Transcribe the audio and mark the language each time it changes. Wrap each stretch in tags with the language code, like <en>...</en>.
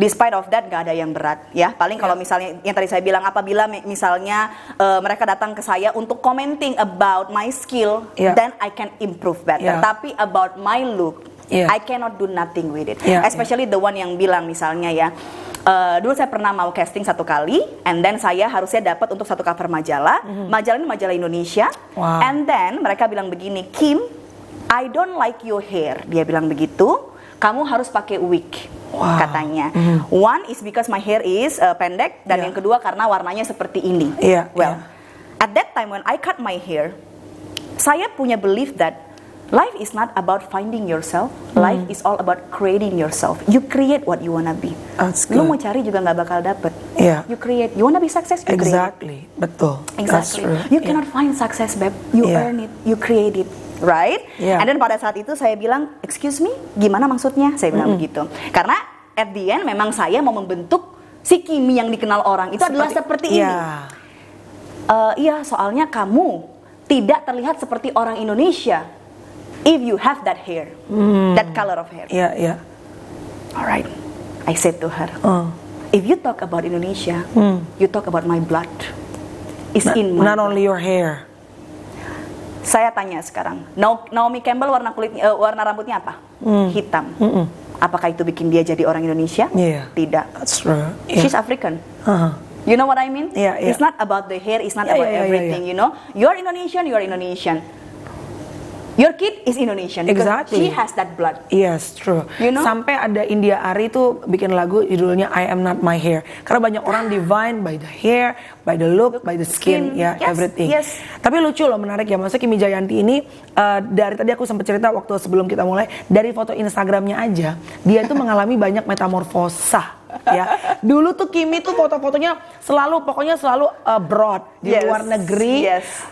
<en>Despite of that</en> <id>gak ada yang berat ya. Paling kalau misalnya yang tadi saya bilang, apabila misalnya mereka datang ke saya untuk</id> <en>commenting about my skill, yeah, then I can improve better. Yeah. Tapi about my look, yeah, I cannot do nothing with it. Yeah. Especially, yeah, the one</en> <id>yang bilang misalnya ya, dulu saya pernah mau casting satu kali,</id> <en>and then</en> <id>saya harusnya dapat untuk satu cover majalah. Mm. Majalah ini majalah Indonesia.</id> <en>Wow. And then</en> <id>mereka bilang begini,</id> <en>Kim, I don't like your hair.</en> <id>Dia bilang begitu. Kamu harus pakai wig,</id> <en>wow,</en> <id>katanya. Mm.</id> <en>One is because my hair is</en> <id>pendek, dan yang kedua karena warnanya seperti ini.</id> <en>Yeah. Well, at that time when I cut my hair,</en> <id>saya punya</id> <en>belief that life is not about finding yourself. Life is all about creating yourself. You create what you wanna be. That's good.</en> <id>Lu mau cari juga nggak bakal dapet.</id> <en>Yeah. You create. You wanna be success. You exactly. Create. Betul. Exactly. That's true. You cannot find success, babe. You earn it. You create it. Right? Yeah.</en> <id>And then pada saat itu saya bilang,</id> <en>excuse me,</en> <id>gimana maksudnya? Saya bilang begitu. Karena</id> <en>at the end</en> <id>memang saya mau membentuk si Kimi yang dikenal orang. Itu adalah seperti ini. Iya, soalnya kamu tidak terlihat seperti orang Indonesia</id> <en>if you have that hair, that color of hair.</en> <id>Iya, yeah, iya.</id> <en>Yeah. Alright, I said to her, if you talk about Indonesia, you talk about my blood. It's in my not blood. Only your hair.</en> <id>Saya tanya sekarang, Naomi Campbell warna kulitnya, warna rambutnya apa? Hitam. Mm-mm. Apakah itu bikin dia jadi orang Indonesia?</id> <en>Yeah.</en> <id>Tidak.</id> <en>That's true. Yeah. She's African. Uh-huh. You know what I mean? Yeah, yeah. It's not about the hair, it's not about everything, you know? You're Indonesian, you're Indonesian. Your kid is Indonesian. Exactly. She has that blood. Yes, true. You know?</en> <id>Sampai ada India Ari tuh bikin lagu judulnya I Am Not My Hair. Karena banyak orang</id> <en>divine by the hair, by the look, by the skin, yeah, yes, everything. Yes.</en> <id>Tapi lucu loh, menarik ya. Maksudnya Kimi Jayanti ini dari tadi aku sempat cerita waktu sebelum kita mulai, dari foto Instagramnya aja dia tuh mengalami banyak metamorfosa. Ya, dulu tuh Kimi tuh foto-fotonya selalu pokoknya selalu abroad di luar negeri.</id> <en>Yes.</en>